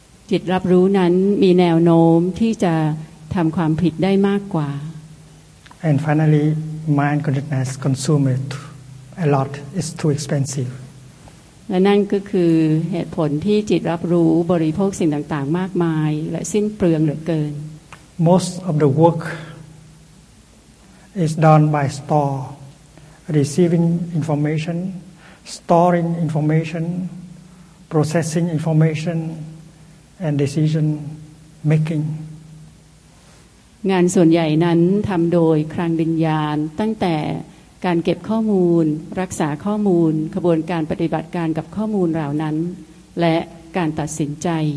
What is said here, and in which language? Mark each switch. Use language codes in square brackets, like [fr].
[th] จิตรับรู้นั้นมีแนวโน้มที่จะทำความผิดได้มากกว่า [en] And finally mind consciousness consumes a lot it's too expensive [th] และนั่นก็คือเหตุผลที่จิตรับรู้บริโภคสิ่งต่างๆมากมายและสิ้นเปลืองเหลือเกิน [en] Most of the work is done by store receiving information storing information processing information and decision making [th] งานส่วนใหญ่นั้นทำโดยคลังวิญญาณตั้งแต่การเก็บข้อมูลรักษาข้อมูลขบวนการปฏิบัติการกับข้อมูลเหล่านั้นและการตัดสินใจ